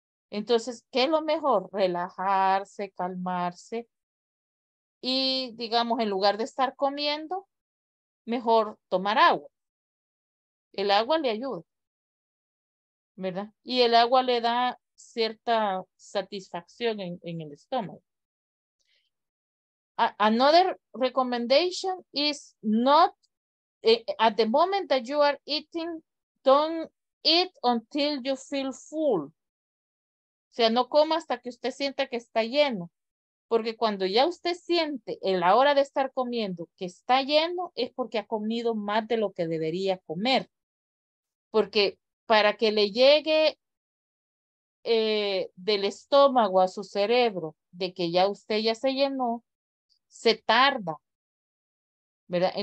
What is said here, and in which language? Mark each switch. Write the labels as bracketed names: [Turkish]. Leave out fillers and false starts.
[Spanish] Entonces, ¿qué es lo mejor? Relajarse, calmarse y, digamos, en lugar de estar comiendo, mejor tomar agua. El agua le ayuda, ¿verdad? Y el agua le da cierta satisfacción en el estómago. [English] Another recommendation is not, at the moment that you are eating, don't eat until you feel full. [Spanish] O sea, no coma hasta que usted sienta que está lleno. Porque cuando ya usted siente en la hora de estar comiendo que está lleno, es porque ha comido más de lo que debería comer. Porque para que le llegue del estómago a su cerebro de que ya usted ya se llenó, se tarda, ¿verdad?